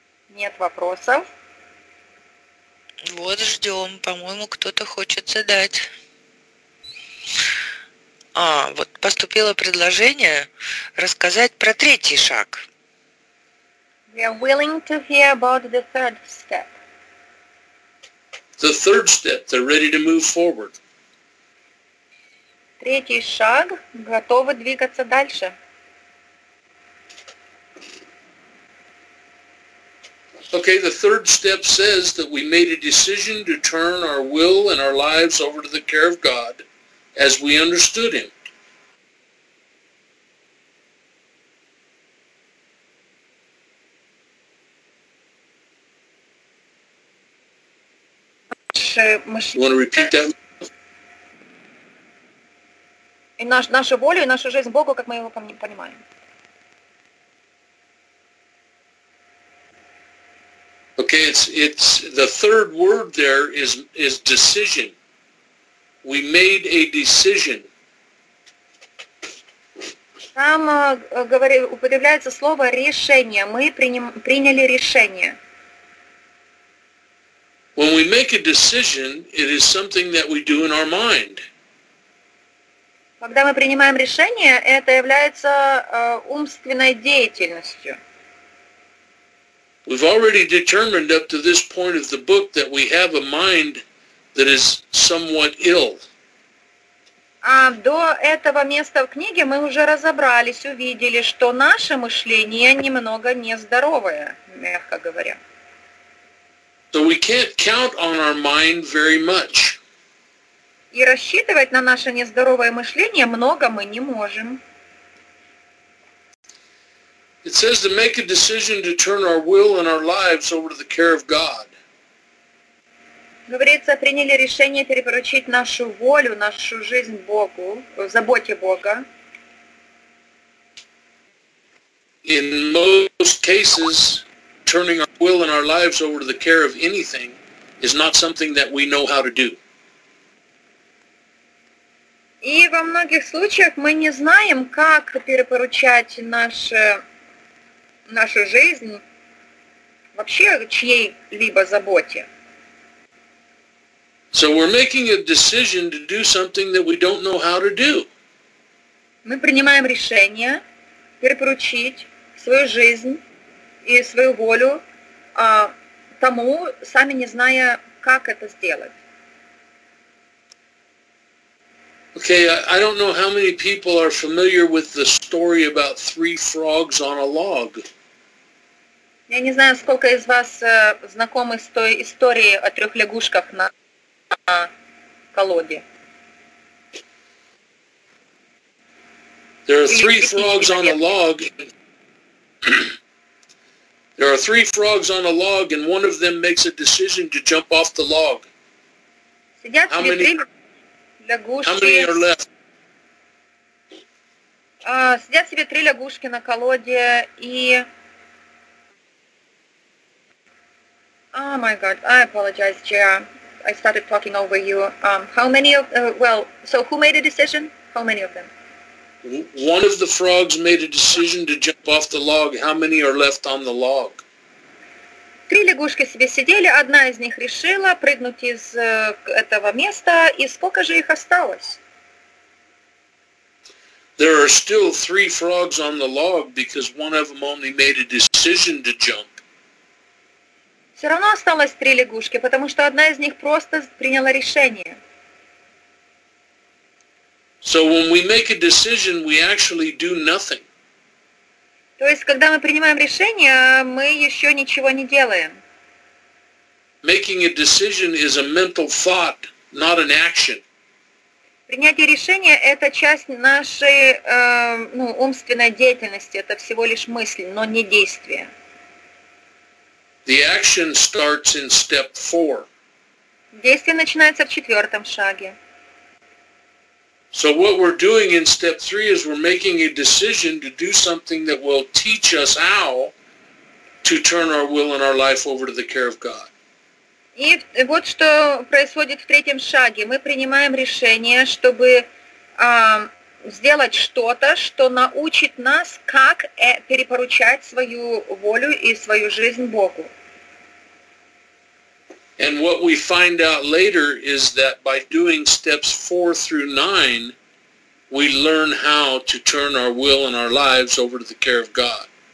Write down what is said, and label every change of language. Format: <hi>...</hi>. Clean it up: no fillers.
<ru>Нет вопросов. Вот ждем. По-моему, кто-то хочет задать. А, вот поступило предложение рассказать про третий шаг.</ru> <en>We are willing to hear about the third step. The third step. They're ready to move forward.</en> <ru>Третий шаг. Готовы двигаться дальше.</ru> <en>Okay, the third step says that we made a decision to turn our will and our lives over to the care of God as we understood Him. You want to repeat that?</en> <ru>И нашу волю, и нашу жизнь Богу, как мы его понимаем.</ru> <en>Okay, it's the third word there is decision. We made a decision.</en> <ru>Там употребляется слово решение. Мы приняли решение.</ru> <en>When we make a decision, it is something that we do in our mind.</en> <ru>Когда мы принимаем решение, это является умственной деятельностью.</ru> <en>We've already determined up to this point of the book that we have a mind that is somewhat ill.</en> <ru>А до этого места в книге мы уже разобрались, увидели, что наше мышление немного нездоровое, мягко говоря.</ru> <en>So we can't count on our mind very much.</en> <ru>И рассчитывать на наше нездоровое мышление много мы не можем.</ru> <en>It says to make a decision to turn our will and our lives over to the care of God.</en> <ru>Говорится, приняли решение перепоручить нашу волю, нашу жизнь Богу, в заботе Бога.</ru> <en>In most cases, turning our will and our lives over to the care of anything is not something that we know how to do.</en> <ru>И во многих случаях мы не знаем, как перепоручать нашу жизнь вообще чьей-либо заботе.</ru> <en>So we're making a decision to do something that we don't know how to do.</en> <ru>Мы принимаем решение перепоручить свою жизнь и свою волю тому, сами не зная, как это сделать.</ru> <en>Okay, I don't know how many people are familiar with the story about three frogs on a log.</en> <ru>Я не знаю, сколько из вас знакомы с той историей о трёх лягушках на колоде.</ru> <en>There are three frogs on a log. There are three frogs on a log, and one of them makes a decision to jump off the log.</en> <ru>Сидят ли три лягушки?</ru> <en>How many are left?</en> <ru>Сидят себе три лягушки на колоде, и...</ru> <en>Oh my God, I apologize, Chair. I started talking over you. How many of... well, so who made a decision? How many of them? One of the frogs made a decision to jump off the log. How many are left on the log?</en> <ru>Три лягушки себе сидели, одна из них решила прыгнуть из этого места, и сколько же их осталось?</ru> <en>There are still three frogs on the log because one of them only made a decision to jump.</en> <ru>Все равно осталось три лягушки, потому что одна из них просто приняла решение.</ru> <en>So when we make a decision, we actually do nothing.</en> <ru>То есть, когда мы принимаем решение, мы еще ничего не делаем.</ru> <en>Making a decision is a mental thought, not an action.</en> <ru>Принятие решения – это часть нашей умственной деятельности, это всего лишь мысль, но не действие.</ru> <en>The action starts in step four.</en> <ru>Действие начинается в четвертом шаге.</ru> <en>So what we're doing in step three is we're making a decision to do something that will teach us how to turn our will and our life over to the care of God.</en> <ru>И вот что происходит в третьем шаге. Мы принимаем решение, чтобы сделать что-то, что научит нас, как перепоручать свою волю и свою жизнь Богу.</ru> <en>And what we find out later is that by doing steps 4 through 9, we learn how to turn our will and our lives over to the care of God.</en>